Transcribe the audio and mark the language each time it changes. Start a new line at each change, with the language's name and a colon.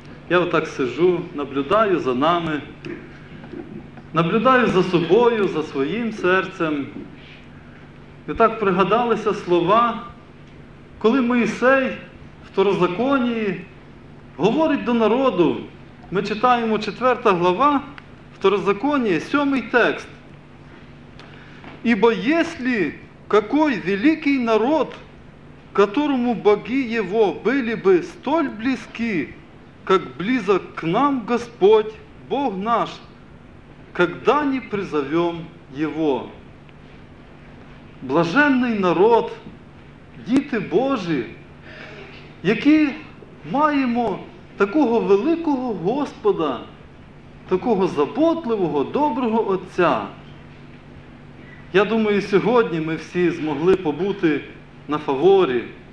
Ukrainian: Я отак сижу, наблюдаю за нами, наблюдаю за собою, за своїм серцем. І так пригадалися слова, коли Мойсей в Второзаконії говорить до народу. Ми читаємо 4 глава Второзаконія, 7 текст.
Russian: «Ібо єслі какой великий народ, которому боги его были бы столь близки, как близок к нам Господь, Бог наш, когда не призовем его».
Ukrainian: Блаженний народ, діти Божі, які маємо такого великого Господа, такого заботливого, доброго Отця. Я думаю, сьогодні ми всі змогли побути на фаворі.